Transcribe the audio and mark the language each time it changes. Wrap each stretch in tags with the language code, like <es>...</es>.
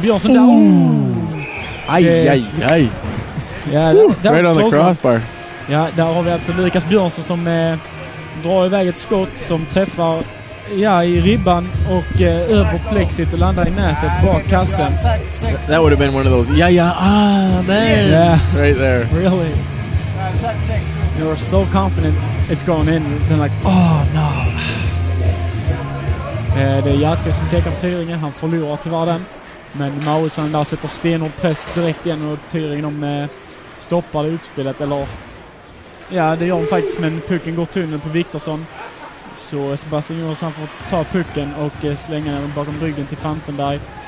<sv>Björnsson där! Aj, aj, aj! Yeah, där,</sv> <en>right on the crossbar.</en> <sv>Ja, där har vi absolut Lukas Björnsson som drar iväg ett skott som träffar i ribban och över plexit och landar i nätet bak kassen.</sv> <en>That would have been one of those. Man! Yeah. Right there. Really? You were so confident it's going in. Then like, oh no.</en> <sv>Det är Jatke som pekar för Tyringen. Han förlorar tyvärr den. Men Mauritsson där sätter sten och press direkt igen. Och Tyringen stoppar utspelet. Eller, ja, det gör de faktiskt. Men pucken går tunnel på Viktorsson. Så Sebastian Jonsson får ta pucken och slänga den bakom ryggen till Fantenberg.</sv>